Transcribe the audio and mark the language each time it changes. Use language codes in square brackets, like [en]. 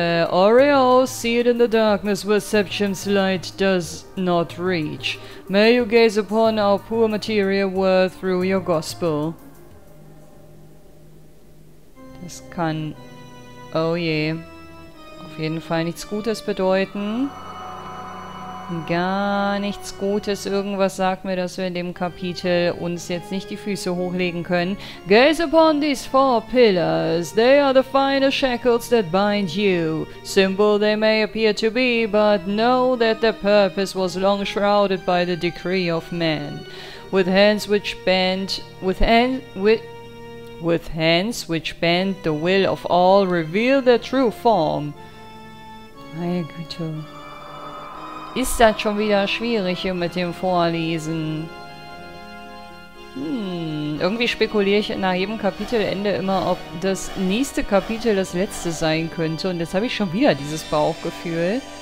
[en] Oreo, see it in the darkness where Septim's light does not reach. May you gaze upon our poor material world through your gospel. [de] Das kann, oh je, auf jeden Fall nichts Gutes bedeuten. Gar nichts Gutes. Irgendwas sagt mir, dass wir in dem Kapitel uns jetzt nicht die Füße hochlegen können. [en] Gaze upon these four pillars. They are the finest shackles that bind you. Simple they may appear to be, but know that their purpose was long shrouded by the decree of man. With hands which bend the will of all, reveal their true form. [de] Meine Güte. Ist das schon wieder schwierig hier mit dem Vorlesen? Irgendwie spekuliere ich nach jedem Kapitelende immer, ob das nächste Kapitel das letzte sein könnte. Und jetzt habe ich schon wieder dieses Bauchgefühl.